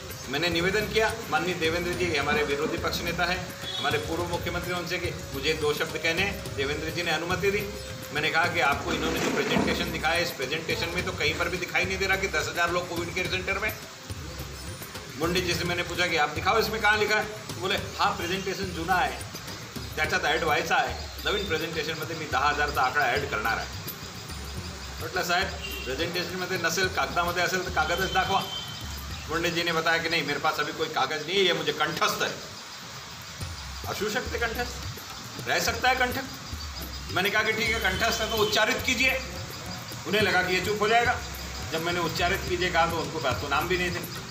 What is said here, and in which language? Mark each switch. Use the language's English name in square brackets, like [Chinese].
[Hindi] मैंने निवेदन किया माननीय देवेंद्र जी, हमारे विरोधी पक्ष नेता है, हमारे पूर्व मुख्यमंत्री, उनसे कि मुझे 2 शब्द कहने। देवेंद्र जी ने अनुमति दी। मैंने कहा कि आपको इन्होंने जो प्रेजेंटेशन दिखाया, इस प्रेजेंटेशन में तो कहीं पर भी दिखाई नहीं दे रहा कि 10,000 लोग कोविड केयर सेंटर में। मुंडे जी से मैंने पूछा कि आप दिखाओ इसमें कहाँ लिखा है, बोले हाँ [Marathi] प्रेजेंटेशन जुना है, त्याच्यात ऐड व्हायचा आहे, नवीन प्रेझेंटेशनमध्ये मी 10,000 आकडा ॲड करणार आहे। म्हटलं साहेब, प्रेझेंटेशनमध्ये नसेल, कागदामध्ये असेल तर कागदच दाखवा। [Hindi] मुंडेजीने बताया की नाही, मेरे पास अभी कोई कागज नहीं है, ये मुझे कंठस्थ है। [Marathi] असू शकते कंठस्थ, [Hindi] रह सकता है कंठ। मैंने कहा कि ठीक है, कंठस्थ है तो उच्चारित कीजिए। उन्हें लगा कि ये चुप हो जाएगा। जब मैंने उच्चारित कीजिए कहा तो उनको पास तो नाम भी नहीं थे।